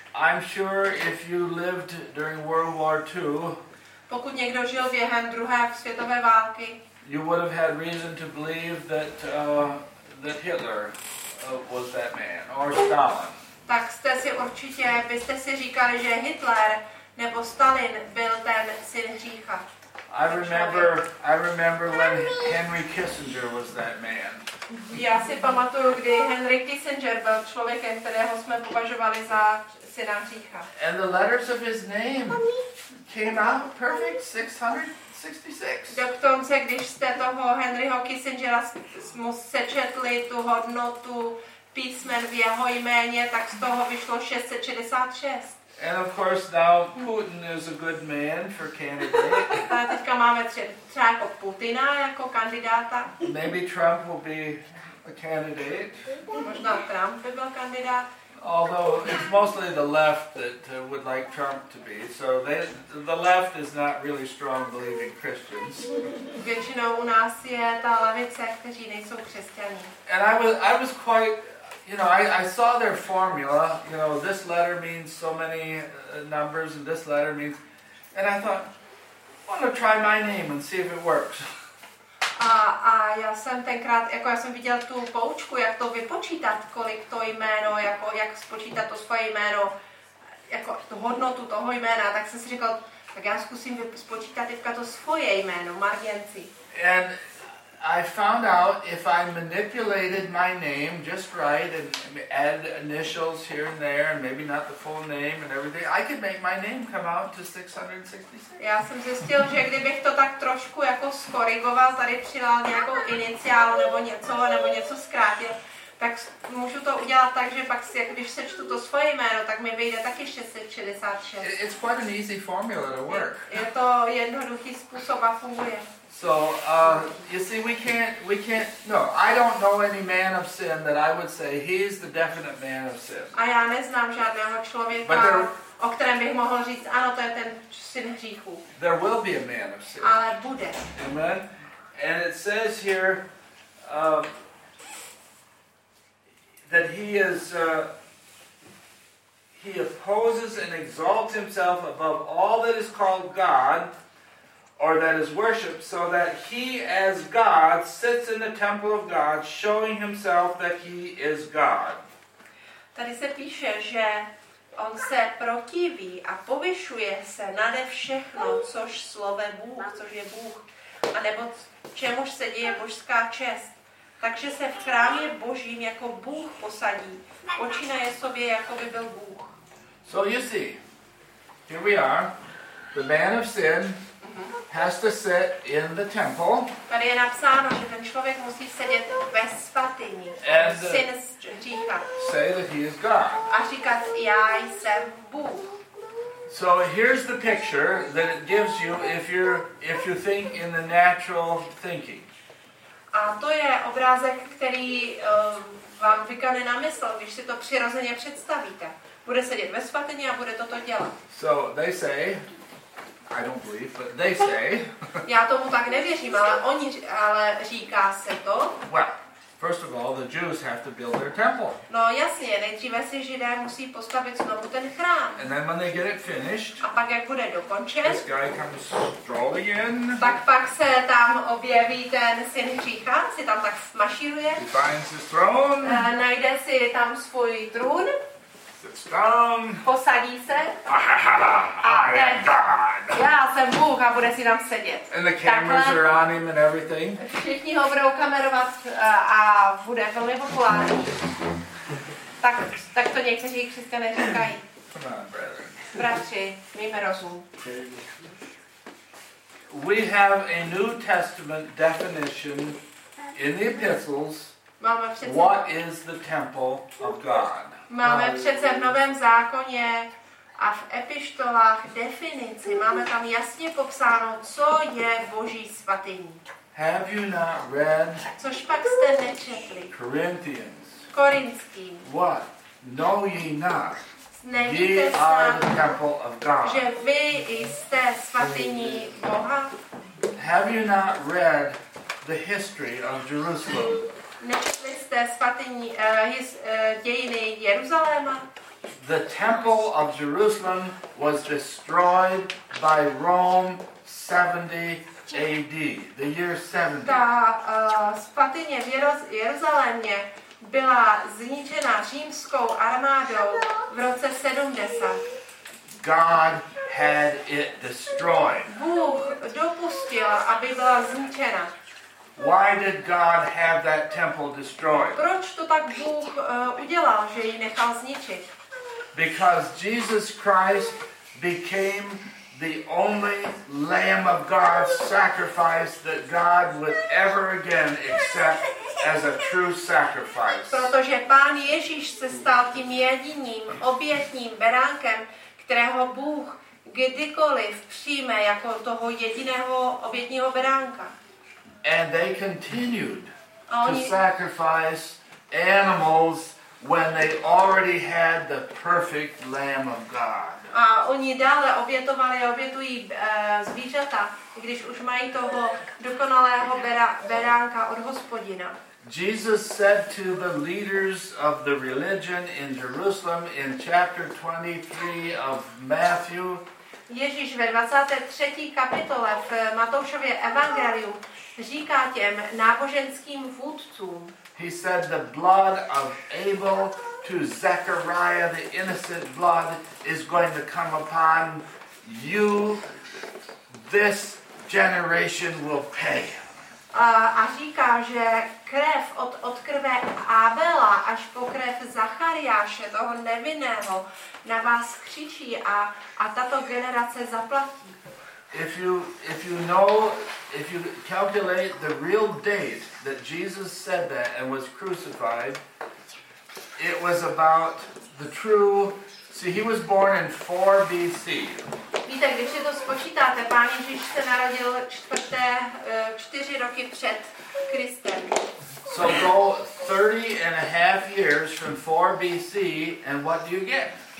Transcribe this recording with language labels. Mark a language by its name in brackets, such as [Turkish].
[English] I'm sure if you lived during World War II, [Czech] pokud někdo žil během druhé světové války, [English] you would have had reason to believe that that Hitler was that man or Stalin. [Czech] Tak jste si určitě, byste si říkali, že Hitler nebo Stalin byl ten syn hřícha. [English] I remember when Henry Kissinger was that man. [Czech] Já si pamatuju, kdy Henry Kissinger byl člověkem, kterého jsme považovali za syna hřícha. [English] And the letters of his name came out perfect, 666. [Czech] Dokonce, když jste toho Henryho Kissingera mu sečetli tu hodnotu písmen v jeho jméně, tak z toho vyšlo 666. [English] And of course now Putin is a good man for candidate. [Czech] Teďka máme třeba jako Putina jako kandidáta. [English] Maybe Trump will be a candidate. [Czech] Možná Trump by byl kandidát. [English] Although it's mostly the left that would like Trump to be, so the left is not really strong believing Christians. [Czech] Většinou u nás je ta levice, kteří nejsou křesťané. [English] And I was quite, you know, I saw their formula, you know, this letter means so many numbers and this letter means, and I thought, I want to try my name and see if it works. [Czech] A já jsem tenkrát, jako já jsem viděl tu poučku, jak to vypočítat, kolik to jméno, jako jak spočítat to svoje jméno, jako tu hodnotu toho jména, tak jsem si říkal, tak já zkusím spočítat teďka to svoje jméno, Margenci. [English] And I found out if I manipulated my name just right and added initials here and there and maybe not the full name and everything, I could make my name come out to 666. [Czech] Já jsem zjistil, že kdybych to tak trošku jako skorigoval, tady přidal nějakou iniciálu nebo něco zkrátil, tak můžu to udělat tak, že pak si, jak když sečtu to svoje jméno, tak mi vyjde taky 666. [English] It's quite an easy formula to work. [Czech] Je to jednoduchý způsob a funguje. [English] So, you see, we can't, no, I don't know any man of sin that I would say he's the definite man of sin. [Czech] A já neznám žádného člověka, there, o kterém bych mohl říct, ano, to je ten syn hříchu. [English] There will be a man of sin. [Czech] Ale bude. [English] Amen? And it says here that he is, he opposes and exalts himself above all that is called God, or that is worship, so that he as God sits in the temple of God, showing himself that he is God. [Czech] Tady se píše, že on se protiví a povyšuje se nade všechno, což slove Bůh, což je Bůh, a nebo čemuž se děje božská čest. Takže se v chrámě božím jako Bůh posadí, počínaje sobě, jako by byl Bůh. [English] So you see, here we are, the man of sin has to sit in the temple. [Czech] Tady je napsáno, že ten člověk musí sedět ve svatyni. And syn říká. [English] Say that he is God. [Czech] A říkat, já jsem Bůh. [English] So here's the picture that it gives you if you think in the natural thinking. [Czech] A to je obrázek, který vám vykane na mysl, když si to přirozeně představíte. Bude sedět ve svatyni a bude toto dělat. [English] So they say, I don't believe, but they say. [Czech] Já tomu tak nevěřím, ale oni, ale říká se to. [English] Well, first of all, the Jews have to build their temple. [Czech] No jasně, nejdříve si Židé musí postavit znovu ten chrám. [English] And then when they get it finished. [Czech] A pak jak bude dokončen. [English] This guy comes strolling in. [Czech] Pak se tam objeví ten syn hřícha, si tam tak smaširuje. [English] He finds his throne. [Czech] Najde si tam svůj trůn. [English] Sits down. [Czech] Posadí se. [English] I am God. [Czech] Já jsem Bůh a bude si tam sedět. [English] And the cameras [Czech] takhle [English] are on him and everything. [Czech] Všichni ho budou kamerovat a bude velmi populární. Tak to někteří křesťané říkají. Bratři, mějme rozum. [English] We have a New Testament definition in the epistles. What is the temple of God? [Czech] Máme přece v Novém zákoně a v epištolách definici. Máme tam jasně popsáno, co je Boží svatyní. [English] Have you not read? [Czech] Což pak jste nečetli? [English] Corinthians. [Czech] Korinský. [English] What? Know ye not? [Czech] Nevíte [English] ye are the temple of God. [Czech] Že vy jste svatyní Boha? [English] Have you not read the history of Jerusalem? [Czech] Nečetli jste svatyní dějiny Jeruzaléma? [English] The temple of Jerusalem was destroyed by Rome 70 AD, the year 70. [Czech] Ta svatyně v Jeruzalémě byla zničena římskou armádou v roce 70. [English] God had it destroyed. [Czech] Bůh dopustil, aby byla zničena. [English] Why did God have that temple destroyed? [Czech] Proč to tak Bůh udělal, že ji nechal zničit? [English] Because Jesus Christ became the only Lamb of God sacrifice that God would ever again accept as a true sacrifice. [Czech] Protože Pán Ježíš se stal tím jediným obětním beránkem, kterého Bůh kdykoliv přijme jako toho jediného obětního beránka. [English] And they continued to sacrifice animals when they already had the perfect Lamb of God. [Czech] A oni dále obětovali a obětují zvířata, když už mají toho dokonalého beránka od Hospodina. [English] Jesus said to the leaders of the religion in Jerusalem in chapter 23 of Matthew. [Czech] Ježíš ve 23. kapitole v Matoušově evangeliu říká těm náboženským vůdcům. [English] He said the blood of Abel to Zechariah, the innocent blood is going to come upon you. This generation will pay. [Czech] A říká, že krev od krve Abela až po krev Zachariáše, toho nevinného, na vás křičí a tato generace zaplatí. [English] if you calculate the real date that Jesus said that and was crucified, it was about the true. See, he was born in 4 BC. [Czech] Víte, když si to spočítáte, Pán Ježíš se narodil 4 roky před Kristem. [English] So go 30 and a half years from 4 BC and what do you get?